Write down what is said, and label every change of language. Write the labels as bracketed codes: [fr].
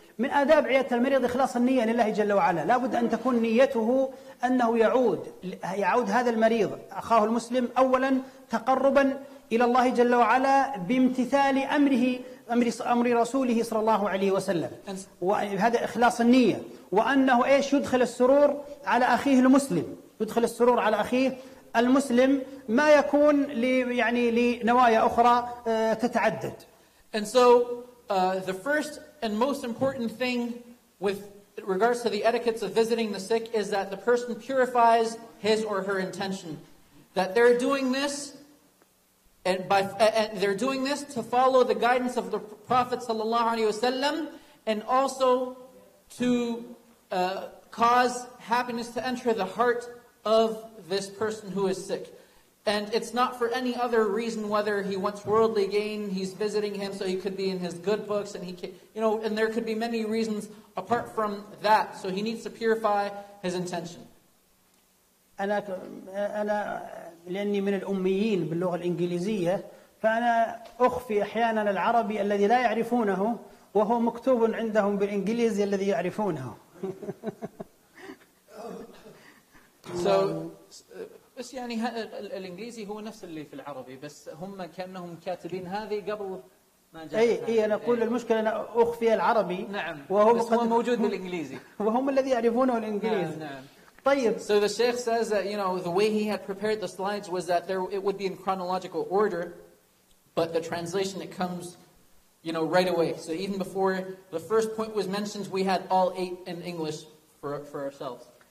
[ar] من آداب عيادة المريض إخلاص النية لله جل وعلا. لا بد أن تكون نيته أنه يعود هذا المريض أخاه المسلم أولا تقربا إلى الله جل وعلا بامتثال أمر رسوله صلى الله عليه وسلم. وهذا إخلاص النية. وأنه إيش يدخل السرور على أخيه المسلم. يدخل السرور على أخيه المسلم ما يكون يعني لنوايا أخرى تتعدد. [en] And so the first and most important thing with regards to the etiquettes of visiting the sick is that the person purifies his or her intention. That they're doing this and they're doing this to follow the guidance of the Prophet [ar] sallallahu alaihi wasallam, [en] and also to cause happiness to enter the heart of this person who is sick. And it's not for any other reason, whether he wants worldly gain, he's visiting him so he could be in his good books, and he can, you know, and there could be many reasons apart from that. So he needs to purify his intention. [ar] أنا لأني من الأميين باللغة الإنجليزية فأنا أخفي أحيانا العربي الذي لا يعرفونه وهو مكتوب عندهم بالإنجليزي الذي يعرفونه. So بس يعني الإنجليزي هو نفس اللي في العربي بس هم كأنهم كاتبين هذه قبل ما جاء. أي أنا أقول المشكلة أنا أخفي العربي. نعم. وهو بس هو موجود بالإنجليزي. وهم الذي يعرفونه الإنجليزي. نعم. طيب. [en] So the Sheikh says that, you know, the way he had prepared the slides was that it would be in chronological order, but the translation it comes, you know, right away. So even before the first point was mentioned, we had all eight in English for ourselves.